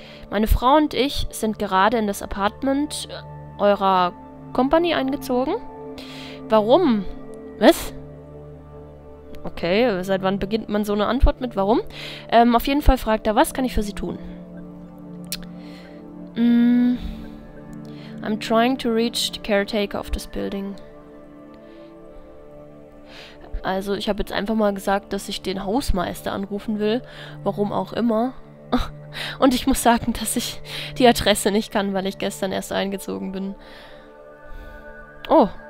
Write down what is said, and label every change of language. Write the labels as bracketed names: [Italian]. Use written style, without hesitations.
[German] Meine Frau und ich sind gerade in das Apartment eurer Company eingezogen. Warum? Was? Okay, seit wann beginnt man so eine Antwort mit warum? Auf jeden Fall fragt er, was kann ich für sie tun? [English] I'm trying to reach the caretaker of this building. [German] Also, ich habe jetzt einfach mal gesagt, dass ich den Hausmeister anrufen will. Warum auch immer. Und ich muss sagen, dass ich die Adresse nicht kann, weil ich gestern erst eingezogen bin. Oh.